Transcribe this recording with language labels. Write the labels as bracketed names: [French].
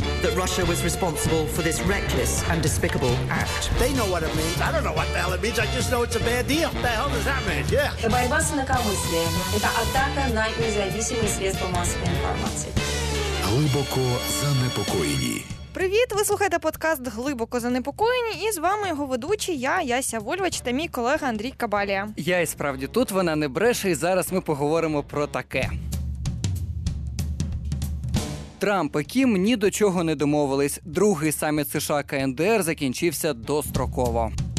[English] that Russia was responsible for this reckless and despicable act. They know what it means. I don't know what the hell it means. I just know it's a bad deal. What the hell does that mean? Yeah. [Russian] The борьба с инакомыслием — это атака на независимые средства массовой информации. [Ukrainian] Глибоко занепокоєні. Привіт, ви слухаєте подкаст «Глибоко занепокоєні», і з вами його ведучі, я, Яся Вольвач, та мій колега Андрій Кабалія. Я і справді тут, вона не бреше, і зараз ми поговоримо про таке. Трамп і Кім ні до чого не домовились. Другий саміт США КНДР закінчився достроково.